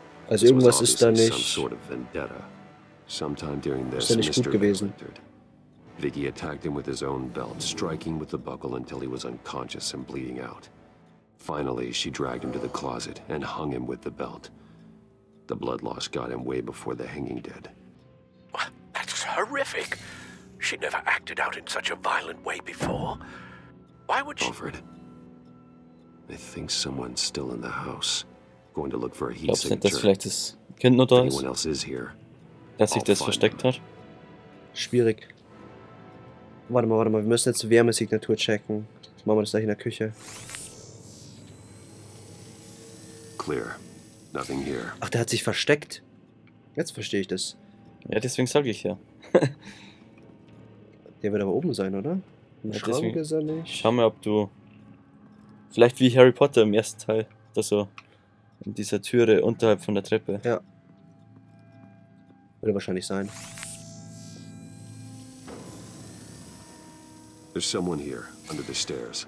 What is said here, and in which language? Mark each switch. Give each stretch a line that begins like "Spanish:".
German: Also irgendwas ist da nicht gut gewesen.
English: Vicky attacked him with his own belt, striking with the buckle until he was unconscious and bleeding out. Finally, she dragged him to the closet and hung him with the belt. The blood loss got him way before the hanging did. That's horrific. She never acted out in such a violent way before. Why would she... Alfred, I think someone's still in the house. Going to look for a heat signature.
German: Ob das vielleicht das Kind noch da ist?
English: Anyone else is here?
German: Dass sich das versteckt hat? Schwierig. Warte mal. Wir müssen jetzt Wärmesignatur checken. Machen wir das gleich in der Küche.
English: Clear. Nothing here.
German: Ach, der hat sich versteckt. Jetzt verstehe ich das. Ja, deswegen sage ich ja. Der wird aber oben sein, oder? Im Schrank ist er nicht. Schau mal, ob du... Vielleicht wie Harry Potter im ersten Teil. Das so. In dieser Türe unterhalb von der Treppe. Ja. Würde wahrscheinlich sein.
English: There's someone here under the stairs.